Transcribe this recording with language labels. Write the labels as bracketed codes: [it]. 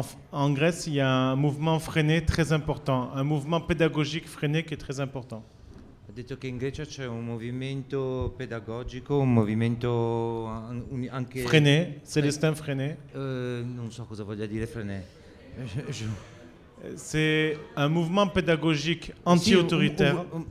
[fr] En Grèce, il y a un mouvement freiné très important, un mouvement pédagogique freiné qui est très important. [it] detto che in Grecia c'è un movimento pedagogico, un movimento anche... [fr] Frené, Célestin Frené. [it] Non so cosa voglia dire Frené. [fr] C'est un mouvement pédagogique anti-autoritaire.